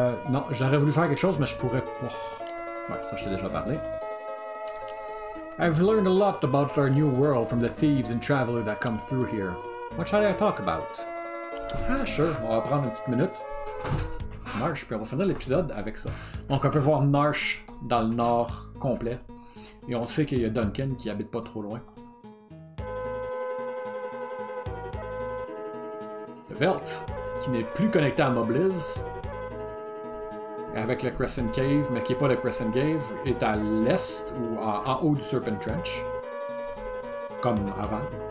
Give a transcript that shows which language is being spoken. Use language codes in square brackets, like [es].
[fr] Non, j'aurais voulu faire quelque chose, mais je pourrais pas. Ouais, ça, je t'ai déjà parlé. [en] I've learned a lot about our new world from the thieves and travelers that come through here. What shall I talk about? Ah, sure. [fr] On va prendre une petite minute. Marsh, puis on va finir l'épisode avec ça. Donc, on peut voir Marsh dans le nord complet. Et on sait qu'il y a Duncan qui habite pas trop loin. Velt, qui n'est plus connecté à Mobliz. Avec le Crescent Cave, mais qui n'est pas le Crescent Cave, est à l'est ou en haut du Serpent Trench, comme avant.